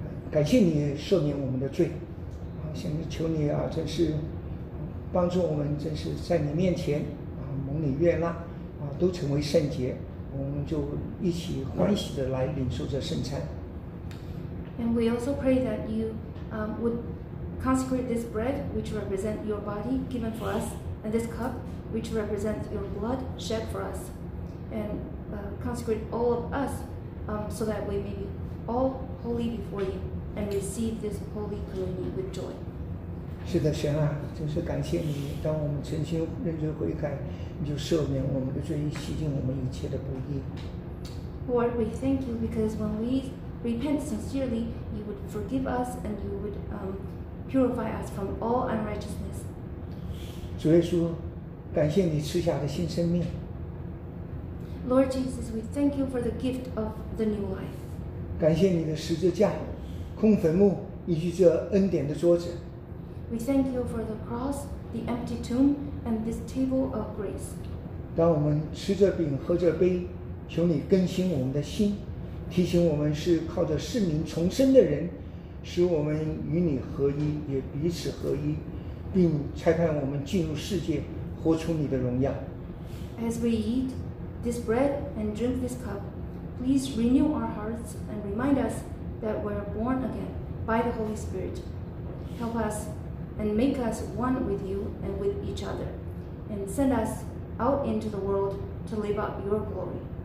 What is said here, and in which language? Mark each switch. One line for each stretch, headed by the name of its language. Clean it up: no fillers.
Chinese: 感谢你赦免我们的罪。现在求你啊，真是帮助我们，真是在你面前啊，蒙你悦纳啊，都成为圣洁。我们就一起欢喜的来领受这圣餐。
English: And we also pray that you would consecrate this bread, which represents your body given for us, and this cup, which represents your blood shed for us, and consecrate all of us so that we may be all holy before you and receive this holy communion with joy.
Chinese: 是的，神啊，真是感谢你，当我们诚心认罪悔改，你就赦免我们的罪，洗净我们一切的不义。
English: Lord, we thank you because when we repent sincerely, you would forgive us and you would purify us from all unrighteousness.
Chinese: 主耶稣，感谢你赐下的新生命。
English: Lord Jesus, we thank you for the gift of the new life.
Chinese: 感谢你的十字架、空坟墓以及这恩典的桌子。
English: We thank you for the cross, the empty tomb, and this table of grace.
Chinese: 当我们吃这饼、喝这杯，求你更新我们的心。提醒我们是靠着圣灵重生的人，使我们与你合一，也彼此合一，并差派我们进入世界，活出你的荣耀。
English: As we eat this bread and drink this cup, please renew our hearts and remind us that we're born again by the Holy Spirit. Help us and make us one with you and with each other, and send us out into the world to live out your glory.